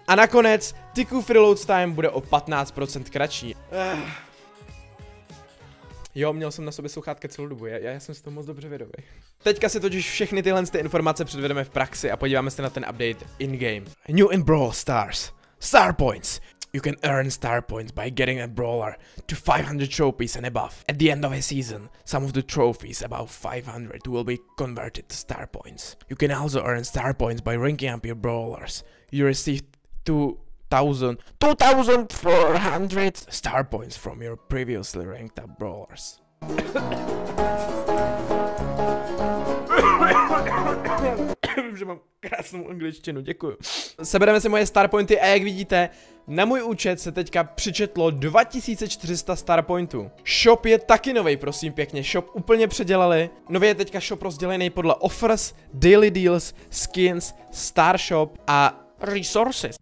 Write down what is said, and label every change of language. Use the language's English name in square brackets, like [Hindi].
[Czech] A nakonec Tiku Freeload Time bude o 15% kratší. Jo, měl jsem na sobě sluchátka celou dobu, já jsem si to moc dobře vědomý. Teďka si totiž všechny tyhle informace předvedeme v praxi a podíváme se na ten update in-game. [English] New in Brawl Stars. Star Points. You can earn star points by getting a brawler to 500 trophies and above. At the end of a season, some of the trophies, about 500, will be converted to star points. You can also earn star points by ranking up your brawlers. You receive 2,400 star points from your previously ranked up brawlers. [Czech] Že mám krásnou angličtinu, děkuju. Sebereme si moje star pointy a jak vidíte, na můj účet se teďka přičetlo 2400 star pointů. Shop je taky novej, prosím pěkně, shop úplně předělali. Nově je teďka shop rozdělený podle offers, daily deals, skins, star shop a resources.